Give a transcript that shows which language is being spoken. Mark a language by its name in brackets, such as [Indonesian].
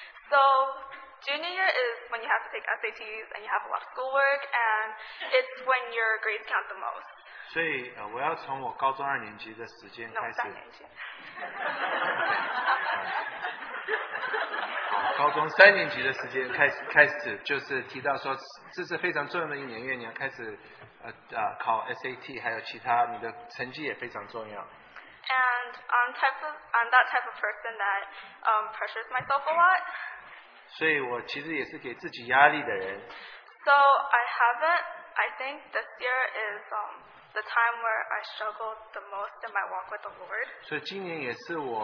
[English] So junior year is when you have to take SATs and you have a lot of schoolwork, and it's when your grades count the most. [Chinese] 所以我要从我高中二年级的时间开始。高中三年级的时间开始，就是提到说，这是非常重要的一年，因为你要开始考 SAT， 还有其他，你的成绩也非常重要。 [English] And I'm that type of person that pressures myself a lot. [Chinese] 所以我其实也是给自己压力的人。 [English] So I think this year is the time where I struggled the most in my walk with the Lord.